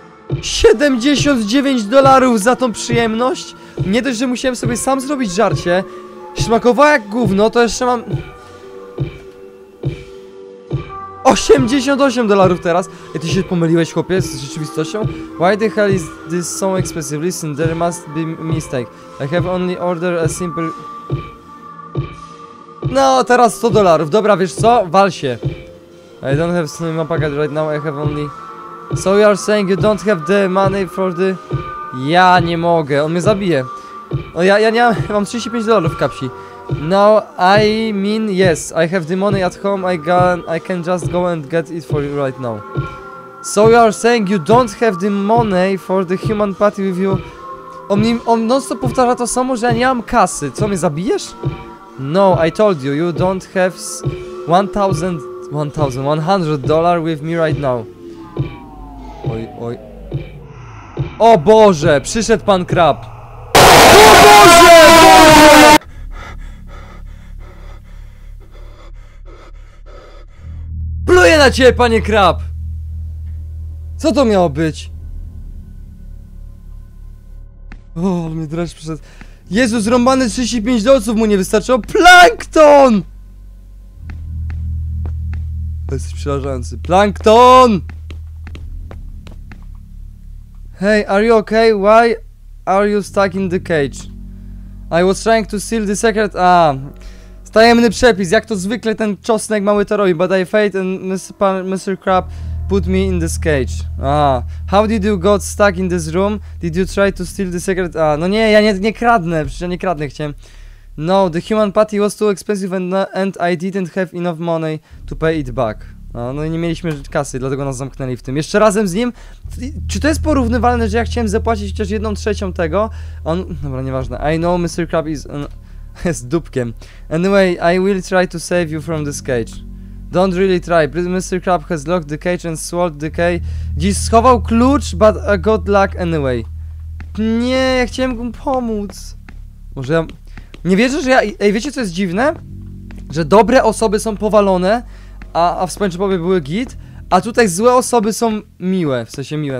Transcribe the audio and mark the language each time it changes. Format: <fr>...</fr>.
<pl>$79 za tą przyjemność? Nie dość, że musiałem sobie sam zrobić żarcie. Smakowało jak gówno, to jeszcze mam... $88 teraz. I ty się pomyliłeś, chłopie, z rzeczywistością?</pl> <en>Why the hell is this so expensive? Listen, there must be mistake. I have only ordered a simple...</en> <pl>No, teraz $100. Dobra, wiesz co? Wal się.</pl> <en>I don't have snow in my pocket right now, I have only... So you are saying you don't have the money for the...</en> <pl>Ja nie mogę, on mnie zabije. No ja nie mam, mam $35 w kapsi.</pl> <en>No, I mean yes, I have the money at home, I can just go and get it for you right now. So you are saying you don't have the money for the human party with you.</en> <pl>On non stop powtarza to samo, że ja nie mam kasy. Co, mnie zabijesz?</pl> <en>No, I told you, you don't have $100 with me right now. Oj, oj.</en> <pl>O Boże, przyszedł pan krab. O Boże! Boże! Pluję na ciebie, panie krab! Co to miało być? O, mnie dreszcz przyszedł. Jezu, zrąbany $35 mu nie wystarczyło. Plankton! To jest przerażający. Plankton!</pl> <en>Hey, are you okay? Why are you stuck in the cage? I was trying to steal the secret.</en> <pl>Ah, tajemny przepis. Jak to zwykle ten czosnek mały to robi.</pl> <en>But I failed and Mr. Crab put me in this cage. Ah, how did you got stuck in this room? Did you try to steal the secret?</en> <pl>Ah, no nie, ja nie kradnę. Przecież ja nie kradnę chciałem.</pl> <en>No, the human patty was too expensive and I didn't have enough money to pay it back.</en> <pl>No i nie mieliśmy kasy, dlatego nas zamknęli w tym. Jeszcze razem z nim? Czy to jest porównywalne, że ja chciałem zapłacić chociaż 1/3 tego? On... Dobra, nieważne.</pl> <en>I know Mr. Crab is...</en> <pl>jest dupkiem.</pl> <en>Anyway, I will try to save you from this cage. Don't really try. Mr. Crab has locked the cage and swallowed the key.</en> <pl>Dziś schował klucz,</pl> <en>but good luck anyway.</en> <pl>Nie, ja chciałem mu pomóc. Może ja... Nie wierzę, że ja... Ej, wiecie co jest dziwne? Że dobre osoby są powalone, a w SpongeBobie były git, a tutaj złe osoby są miłe, w sensie miłe.</pl>